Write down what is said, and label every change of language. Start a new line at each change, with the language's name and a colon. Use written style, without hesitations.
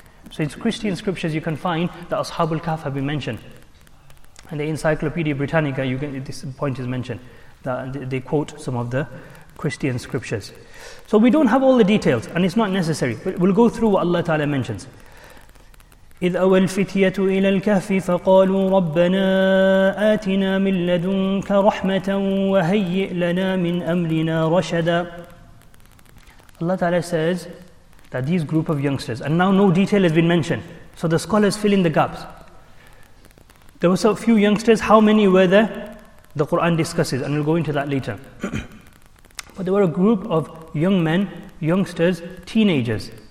English: So in Christian scriptures, you can find that Ashab al-Kahf have been mentioned. In the Encyclopedia Britannica, you get this point is mentioned, that they quote some of the Christian scriptures. So we don't have all the details, and it's not necessary, but we'll go through what Allah Ta'ala mentions.
Arabic: إذ أوى الفتية إلى الكهف فقالوا ربنا آتنا من لدنك رحمة وهيئ لنا من أمرنا رشدا.
English: Allah Ta'ala says that these group of youngsters, and now no detail has been mentioned, so the scholars fill in the gaps. There were so few youngsters, how many were there? The Quran discusses, and we'll go into that later. But there were a group of young men, youngsters, teenagers.